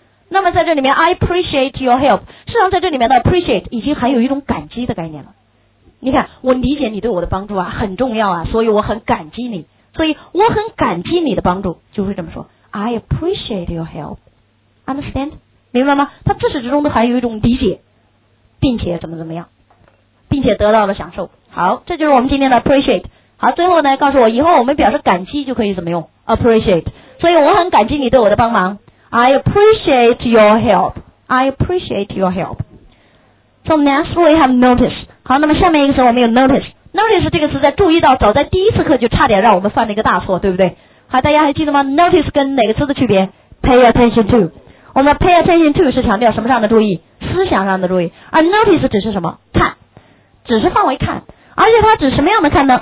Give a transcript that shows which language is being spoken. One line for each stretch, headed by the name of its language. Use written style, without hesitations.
Chinese: 那么在这里面
English: I appreciate your help，
Chinese: 实际上在这里面的 appreciate 已经含有一种感激的概念了。你看我理解你对我的帮助啊很重要啊，所以我很感激你，所以我很感激你的帮助，就会这么说
English: I appreciate your help， understand？
Chinese: 明白吗？他自始至终都还有一种理解，并且怎么怎么样，并且得到了享受。好，这就是我们今天的 appreciate。好，最后呢告诉我，以后我们表示感激就可以怎么用 appreciate。所以我很感激你对我的帮忙，
English: I appreciate your help，
Chinese: I appreciate your help。
English: So next we have notice。
Chinese: 好，那么下面一个词我们有 notice。notice 这个词在注意到早在第一次课就差点让我们犯了一个大错，对不对？好，大家还记得吗？ notice 跟哪个词的区别？
English: pay attention to。
Chinese: 我们
English: pay attention to
Chinese: 是强调什么上的注意？思想上的注意。而 notice 只是什么？看，只是范围看。而且它指什么样的看呢？